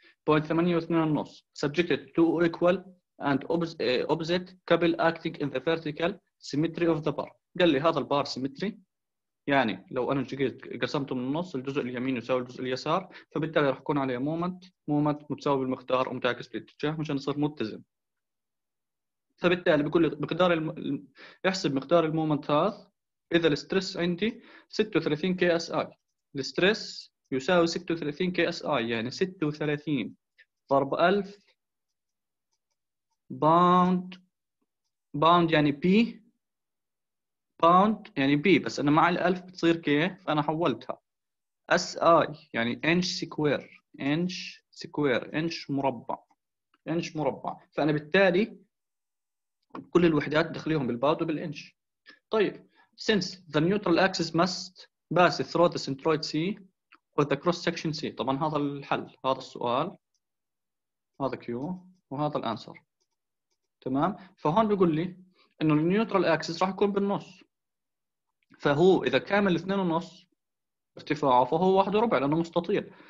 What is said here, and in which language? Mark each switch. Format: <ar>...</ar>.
<en>0.8 و 2.5 subjected to equal and opposite couple acting in the vertical symmetry of the bar.</en> <ar>قال لي هذا البار سيمتري، يعني لو انا جيت قسمته من النص الجزء اليمين يساوي الجزء اليسار، فبالتالي راح يكون عليه مومنت متساوي بالمقدار ومتعكس بالاتجاه مشان يصير متزن. فبالتالي بيقول لي مقدار احسب مقدار المومنت هذا اذا الاسترس عندي 36 كي اس اي. الاسترس يساوي 36 كي اس اي، يعني 36 ضرب 1000 باوند، باوند يعني بي، باوند يعني بي، بس انا مع ال 1000 بتصير كي، فانا حولتها اس اي يعني انش سكوير، انش سكوير انش مربع، انش مربع. فانا بالتالي كل الوحدات دخليهم بالباوند وبالانش.</ar> <en>طيب since the neutral axis must pass through the centroid C or the cross section C.</en> <ar>طبعا هذا الحل، هذا السؤال، هذا Q وهذا الانسر. تمام، فهون بيقول لي انه النيوترال اكسس راح يكون بالنص، فهو اذا كامل 2.5 ارتفاعه فهو 1.25 لانه مستطيل.</ar>